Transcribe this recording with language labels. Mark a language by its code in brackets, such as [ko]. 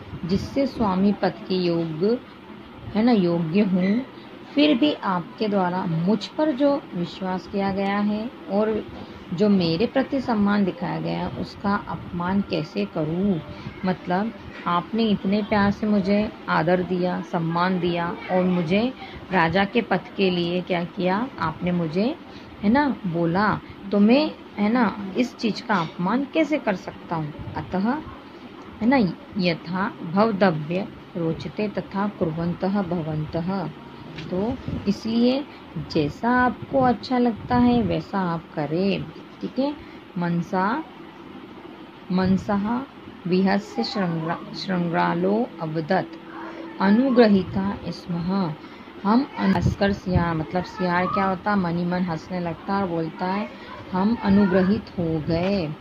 [hi] जिससे स्वामी पद के योग्य है ना, योग्य हूँ, फिर भी आपके द्वारा मुझ पर जो विश्वास किया गया है और जो मेरे प्रति सम्मान दिखाया गया है, उसका अपमान कैसे करूँ। मतलब आपने इतने प्यार से मुझे आदर दिया, सम्मान दिया, और मुझे राजा के पद के लिए क्या किया आपने, मुझे है ना बोला, तो मैं है ना इस चीज़ का अपमान कैसे कर सकता हूँ। [sa] अतः [hi] है ना, [sa] यथा भवदव्य रोचते तथा कुर्वन्तः भवन्तः। [hi] तो इसलिए जैसा आपको अच्छा लगता है वैसा आप करें, ठीक है। [sa] मनसा विहस्य श्रृंगालो अवदत् अनुग्रहिता स्मः। [hi] हम हंसकर सियार, मतलब सियार क्या होता, मनी मन हंसने लगता है और बोलता है हम अनुग्रहित हो गए।